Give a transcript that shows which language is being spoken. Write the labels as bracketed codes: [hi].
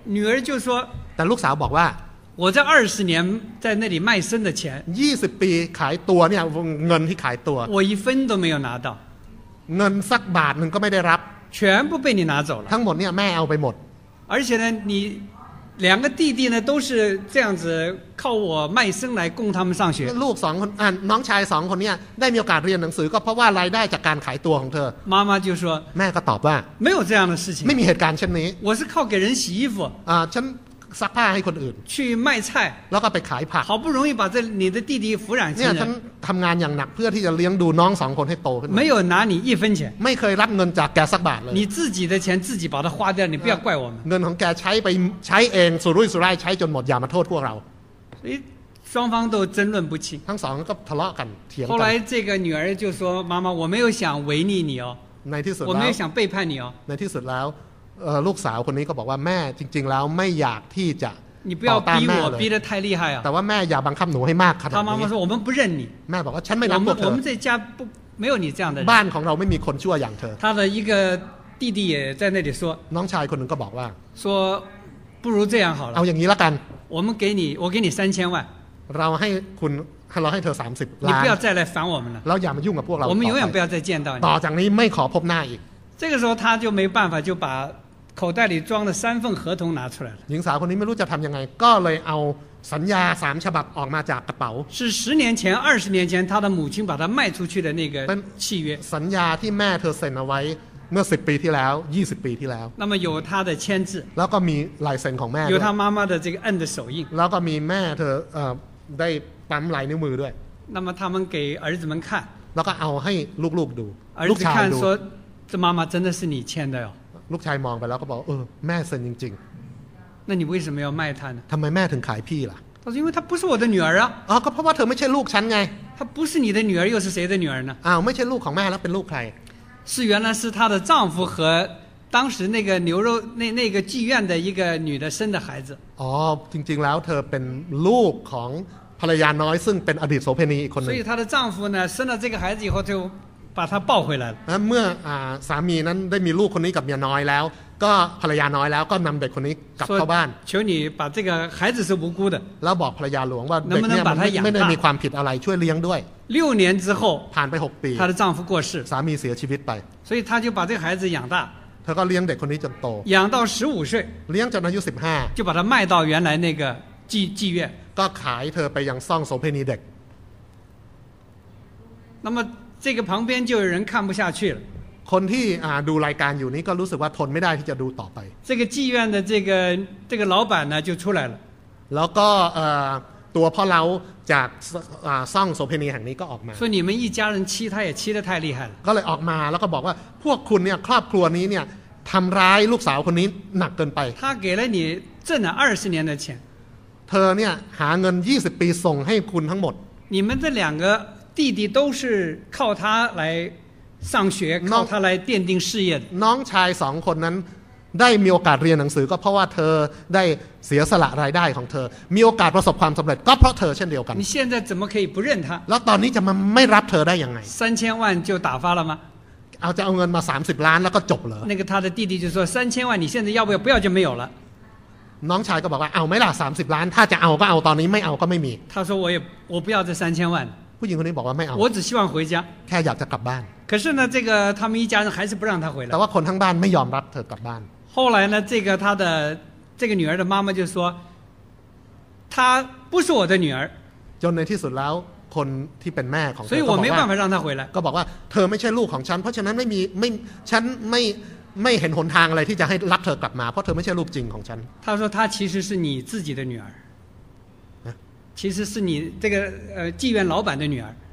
[zh] 女儿就说 [th] แต่ลูกสาวบอกว่า [zh] 我这二十年在那里卖身的钱 [th] ยี่สิบปีขายตัวเนี่ยเงินที่ขายตัว [zh] 我一分都没有拿到 [th] เงินสักบาทนึงก็ไม่ได้รับ [zh] 全部被你拿走了 [th] ทั้งหมดเนี่ยแม่เอาไปหมด [zh] 而且呢你两个弟弟呢都是这样子靠我卖身来供他们上学 [th] ลูก2คนน้องชาย2คนเนี่ยได้มีโอกาสเรียนหนังสือก็เพราะว่ารายได้จากการขายตัวของเธอ [zh] 妈妈就说 [th] แม่ก็ตอบว่า [zh] 没有这样的事情 [th] ไม่มีเหตุการณ์เช่นนี้ [zh] 我是靠给人洗衣服 [th] ฉันซักผ้าให้คนอื่น [zh] 去卖菜 [th] แล้วก็ไปขายผัก [zh] 好不容易把这你的弟弟抚养起来 [th] เนี่ยฉันทำงานอย่างหนักเพื่อที่จะเลี้ยงดูน้องสองคนให้โตขึ้น [zh] 没有拿你一分钱 [th] ไม่เคยรับเงินจากแกสักบาทเลย [zh] 你自己的钱自己把它花掉你不要怪我们 [th] เงินของแกใช้ไปใช้เองสุรุ่ยสุร่ายใช้จนหมดอย่ามาโทษพวกเรา [zh] 双方都争论不清 [th] ทั้งสองก็ทะเลาะกันเถียงกั น [zh] 后来这个女儿就说妈妈我没有想违逆你哦 [th] ในที่สุดแล้ว [zh] 我没有想背叛你哦 [th] ในที่สุดแล้วลูกสาวคนนี้ก็บอกว่าแม่จริงๆแล้วไม่อยากที่จะ ต่อต้านแม่เลย [zh] 你不要逼我逼得太厉害啊 [th] แต่ว่าแม่อย่าบังคับหนูให้มากขนาดนี้ [zh] 他妈妈说我们不认你 [th] แม่บอกว่าฉันไม่รับพวกเธอ [zh] 我们在家不没有你这样的人 [th] บ้านของเราไม่มีคนชั่วอย่างเธอ [zh] 他的一个弟弟也在那里说 [th] น้องชายคนนึงก็บอกว่า [zh] 说不如这样好了 [th] เอาอย่างนี้ละกัน [zh] 我们给你我给你三千万 [th] เราให้คุณเราให้เธอ30ล้าน [zh] 你不要再来烦我们了 [th] เราอย่ามายุ่งกับพวกเรา [zh] 我们永远不要再见到你 [th] ต่อจากนี้ไม่ขอพบหน้าอีก [zh] 这个时候他就没办法就把口袋里装的三份合同拿出来了 [th] หญิงสาวคนนี้ไม่รู้จะทำยังไงก็เลยเอาสัญญา3ฉบับออกมาจากกระเป๋า [zh] 是十年前二十年前他的母亲把他卖出去的那个契约 [th] สัญญาที่แม่เธอเซ็นเอาไว้เมื่อ10ปีที่แล้ว20ปีที่แล้ว [zh] 那么有他的签字 [th] แล้วก็มีลายเซ็นของแม่ [zh] 有他妈妈的这个摁的手印 [th] แล้วก็มีแม่เธอได้ปั๊มลายนิ้วมือด้วย [zh] 那么他们给儿子们看 [th] แล้วก็เอาให้ลูกๆดู ลูกชายดู [zh] 儿子看说这妈妈真的是你签的哟 [th] ลูกชายมองไปแล้วก็บอกเออแม่เซ็นจริง [zh] ๆ那你为什么要卖她呢 [th] ทำไมแม่ถึงขายพี่ล่ะ [zh] 他说因为她不是我的女儿啊 [th] อ๋อก็เพราะว่าเธอไม่ใช่ลูกฉันไง [zh] 她不是你的女儿又是谁的女儿呢 [th] อ้าวไม่ใช่ลูกของแม่แล้วเป็นลูกใคร [zh] 是原来是她的丈夫和当时那个牛肉那个妓院的一个女的生的孩子 [th] อ๋อจริงๆแล้วเธอเป็นลูกของภรรยาน้อยซึ่งเป็นอดีตโสเภณีอีกคนนึ ง [zh] 所以她的丈夫呢生了这个孩子以后就把他抱回来 [th] 了เมื่อสามีนั้นได้มีลูกคนนี้กับเมียน้อยแล้วก็ภรรยาน้อยแล้วก็นำเด็กคนนี้กลับเข้าบ้าน [zh] 求你把这个孩子是无辜的 [th] แล้วบอกภรรยาหลวงว่าเด็กเนี่ยไม่ได้มีความผิดอะไรช่วยเลี้ยงด้วย [zh] 6 年之后 [th] ผ่านไป6ปี [zh] 他的丈夫过世 [th] สามีเสียชีวิตไป [zh] 所以他就把这个孩子养大 [th] เธอก็เลี้ยงเด็กคนนี้จนโต [zh] 养到15岁 [th] เลี้ยงจนอายุ15 [zh] 就把他卖到原来那个妓院 [th] ก็ขายเธอไปยังซ่องโสเภณีเด็ก [zh] 那么这个旁边就有人看不下去了 [th] คนที่ดูรายการอยู่นี้ก็รู้สึกว่าทนไม่ได้ที่จะดูต่อไป [zh] 这个妓院的这个老板呢就出来了 [th] แล้วก็ตัวพ่อเรา จากซ่องโสเภณีแห่งนี้ก็ออกมา คือ [zh] 你们一家人欺他也欺得太厉害 [th] ก็เลยออกมาแล้วก็บอกว่าพวกคุณเนี่ยครอบครัวนี้เนี่ยทำร้ายลูกสาวคนนี้หนักเกินไป [zh] 他给了你挣了二十年的钱 [th] เธอเนี่ยหาเงิน20ปีส่งให้คุณทั้งหมด [zh] 你们这两个弟弟都是靠他来上学靠他来奠定事业 [th] น้องชาย2คนนั้นได้มีโอกาสเรียนหนังสือก็เพราะว่าเธอได้เสียสละรายได้ของเธอมีโอกาสประสบความสำเร็จก็เพราะเธอเช่นเดียวกัน [zh] 你现在怎么可以不认他 [th] แล้วตอนนี้จะมาไม่รับเธอได้ยังไง [zh] 3000万就打发了吗 [th] เอาจะเอาเงินมา30ล้านแล้วก็จบเลย [zh] 那个他的弟弟就说3000万你现在要不要不要就没有了 [th] น้องชายก็บอกว่าเอาไม่ล่ะ30ล้านถ้าจะเอาก็เอาตอนนี้ไม่เอาก็ไม่มี [zh] 他说我不要这3000万 [th] ผู้หญิงคนนี้บอกว่าไม่เอา [zh] 我只希望回家 [th] แค่อยากจะกลับบ้าน [zh] 可是呢这个他们一家人还是不让他回来 [th] แต่ว่าคนทั้งบ้านไม่ยอมรับเธอกลับบ้าน [zh] how来呢这个他的这个女儿的妈妈就说她不是我的女儿 [th] จนในที่สุดแล้วคนที่เป็นแม่ของ เธอ [zh] 所以我没办法让她回来 [th] ก็บอกว่าเธอไม่ใช่ลูกของฉันเพราะฉะนั้นไม่มีไม่ฉันไม่เห็นหนทางอะไรที่จะให้รับเธอกลับมาเพราะเธอไม่ใช่ลูกจริงของฉัน [zh] 她说她其实是你自己的女儿其实是你这个妓院老板的女儿